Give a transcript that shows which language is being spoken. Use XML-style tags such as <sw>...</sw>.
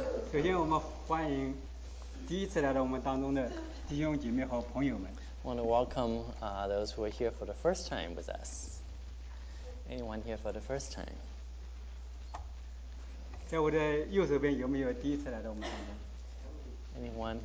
<zh>首先我们欢迎第一次来到我们当中的弟兄姐妹和朋友们。</zh> <en>Want to welcome those who are here for the first time with us. Anyone here for the first time?</en> <zh>在我的右手边有没有第一次来到我们当中？</zh> <en>Anyone</en>